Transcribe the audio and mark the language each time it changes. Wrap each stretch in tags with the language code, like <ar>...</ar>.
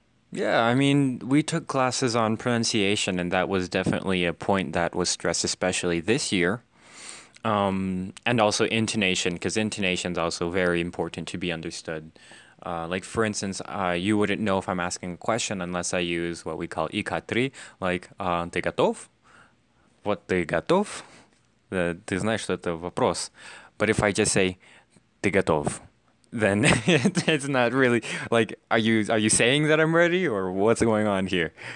<en>Yeah, I mean, we took classes on pronunciation, and that was definitely a point that was stressed, especially this year. And also intonation, because intonation is also very important to be understood. Like, for instance, you wouldn't know if I'm asking a question unless I use what we call ИК-3, like,</en> <ru>ты готов? Вот ты готов? Ты знаешь, что это вопрос.</ru> <en>But if I just say,</en> <ru>ты готов?</ru> <en>Then it's not really, like, are you saying that I'm ready, or what's going on here?</en>